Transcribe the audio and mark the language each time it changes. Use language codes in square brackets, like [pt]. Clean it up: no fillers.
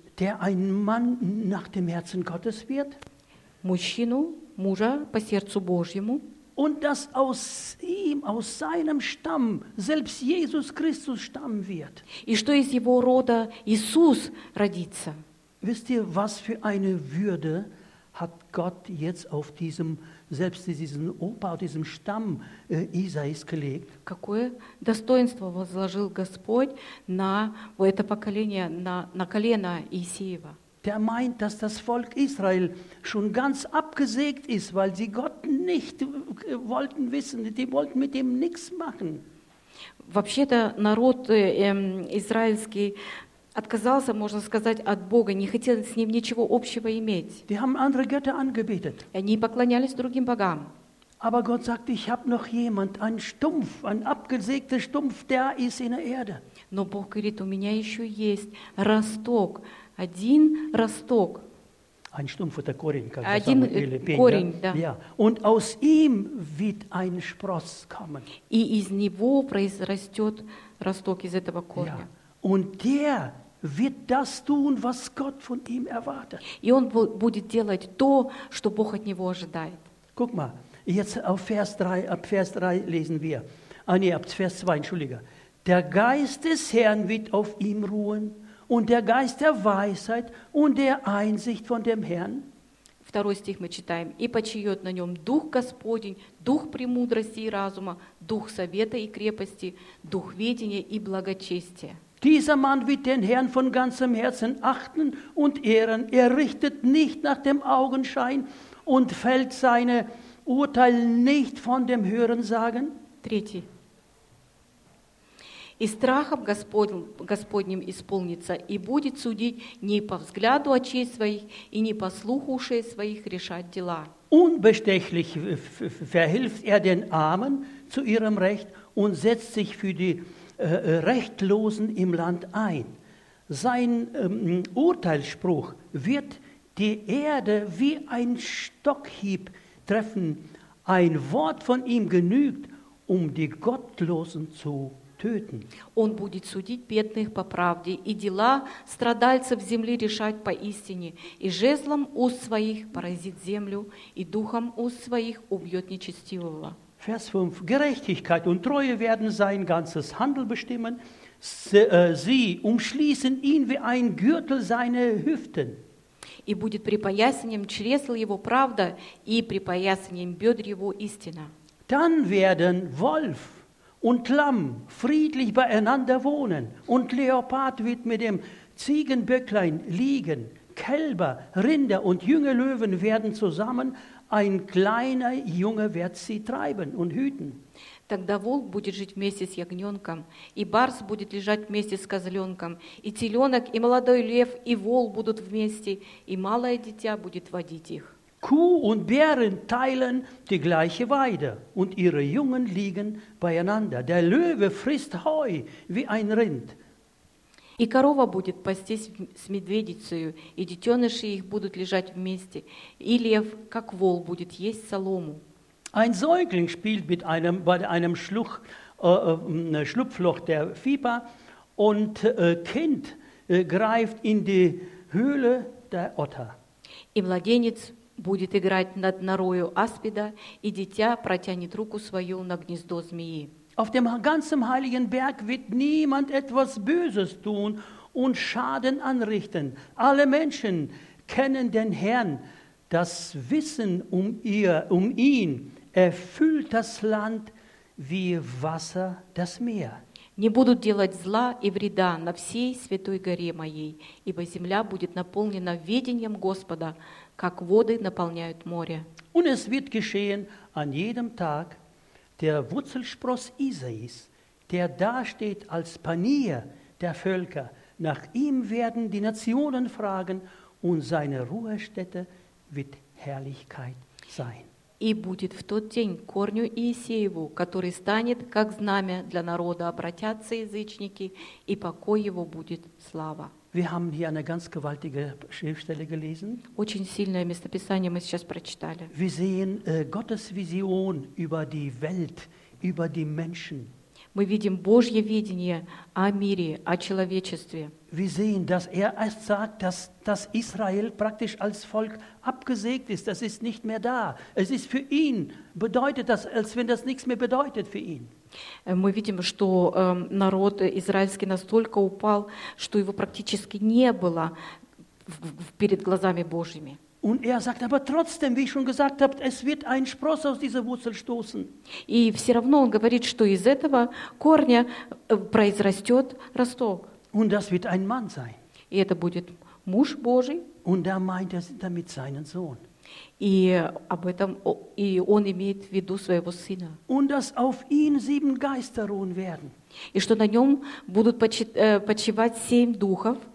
[de] Der ein Mann nach dem Herzen Gottes wird. [ru] Мужчину, мужа по сердцу Божьему. [de] Und dass aus ihm, aus seinem Stamm, selbst Jesus Christus stammen wird. [ru] И что из его рода Иисус родится. [de] Wisst ihr, was für eine Würde hat Gott jetzt auf diesem, selbst diesen Opa, auf diesem Stamm Isais gelegt? [ru] Какое достоинство возложил Господь на это поколение, на колено Исеева? [de] Der meint, dass das Volk Israel schon ganz abgesägt ist, weil sie Gott nicht wollten wissen, die wollten mit ihm nichts machen. [ru] Вообще-то народ израильский отказался, можно сказать, от Бога, не хотел с ним ничего общего иметь. [de] Die haben andere Götter angebetet. [ru] Они поклонялись другим богам. [de] Aber Gott sagt, ich habe noch jemand, ein Stumpf, ein abgesägter Stumpf, der ist in der Erde. [ru] Но Бог говорит, у меня еще есть росток. Один росток. [de] Ein Stumpf, der Korin, [ru] как один корень, да. [de] Ja. Und aus ihm wird ein Spross kommen. [ru] И из него произрастет росток из этого корня. [de] Ja. Und der wird das tun, was Gott von ihm erwartet. [ru] И он будет делать то, что Бог от него ожидает. [de] Guck mal, jetzt auf Vers 3, ab Vers 3 lesen wir. Ah, nee, ab Vers 2, entschuldige. Der Geist des Herrn wird auf ihm ruhen. Und der Geist der Weisheit und der Einsicht von dem Herrn. [ru] Второй стих мы читаем. И почиет на нем Дух Господень, Дух премудрости и разума, Дух совета и крепости, Дух ведения и благочестия. [de] Dieser Mann wird den Herrn von ganzem Herzen achten und ehren. Er richtet nicht nach dem Augenschein und fällt seine Urteil nicht von dem Hörensagen. [ru] Третий. И страхом Господним исполнится, и будет судить не по взгляду очей своих, и не по слуху ушей своих решать дела. [de] Unbestechlich verhilft er den Armen zu ihrem Recht und setzt sich für die Rechtlosen im Land ein. Sein Urteilsspruch wird die Erde wie ein Stockhieb treffen. Ein Wort von ihm genügt, um die Gottlosen zu töten. [ru] Он будет судить бедных по правде и дела страдальцев земли решать поистине, и жезлом уст своих поразит землю, и духом уст своих убьет нечестивого. [de] Vers 5. Gerechtigkeit und Treue werden sein ganzes Handeln bestimmen. Sie umschließen ihn wie ein Gürtel seine Hüften. [ru] И будет припоясанием чресл его правда и припоясанием бедр его истина. [de] Dann werden Wolf und Lamm friedlich beieinander wohnen und Leopard wird mit dem Ziegenböcklein liegen. Kälber, Rinder und junge Löwen werden zusammen, ein kleiner Junge wird sie treiben und hüten. [ru] Тогда волк будет жить вместе с ягненком, и барс будет лежать вместе с козленком, и теленок, и молодой лев, и вол будут вместе, и малое дитя будет водить их. [de] Kuh und Bären teilen die gleiche Weide und ihre Jungen liegen beieinander. Der Löwe frisst Heu wie ein Rind. [ru] И корова будет пастись с медведицею, и детеныши их будут лежать вместе, и лев, как вол, будет есть солому. [de] Ein Säugling spielt mit einem, bei einem Schluch, Schlupfloch der Viper und Kind greift in die Höhle der Otter. [ru] И младенец будет играть над норою аспида, и дитя протянет руку свою на гнездо змеи. [de] Auf dem ganzen heiligen Berg wird niemand etwas Böses tun und Schaden anrichten. Alle Menschen kennen den Herrn, das Wissen um ihn erfüllt das Land, wie Wasser das Meer. [ru] Не будут делать зла и вреда на всей святой горе моей, ибо земля будет наполнена ведением Господа, как воды наполняют море. [de] Und es wird geschehen an jedem Tag, der Wurzelspross Isais, der dasteht als Panier der Völker, nach ihm werden die Nationen fragen, und seine Ruhestätte wird Herrlichkeit sein. [ru] И будет в тот день корню Иисееву, который станет как знамя для народа, обратятся язычники, и покой его будет слава. [de] Wir haben hier eine ganz gewaltige Schriftstelle gelesen. [ru] Очень сильное местописание мы сейчас прочитали. [de] Wir sehen Gottes Vision über die Welt, über die Menschen. [ru] Мы видим Божье видение о мире, о человечестве. [de] Wir sehen, dass erst sagt, dass Israel praktisch als Volk abgesägt ist, das ist nicht mehr da. Es ist für ihn, bedeutet das, als wenn das nichts mehr bedeutet für ihn. [ru] Мы видим, что народ израильский настолько упал, что его практически не было перед глазами Божьими. [de] Und er sagt aber trotzdem, wie ich schon gesagt habe, es wird ein Spross aus dieser Wurzel stoßen. [ru] И все равно он говорит, что из этого корня произрастет росток. [de] Und das wird ein Mann sein. [ru] И это будет муж Божий. [de] Und er meint damit seinen Sohn. [ru] И об этом и он имеет в виду своего сына. [de] Und dass auf ihn sieben Geister ruhen werden. [ru] И что на нем будут почивать семь духов.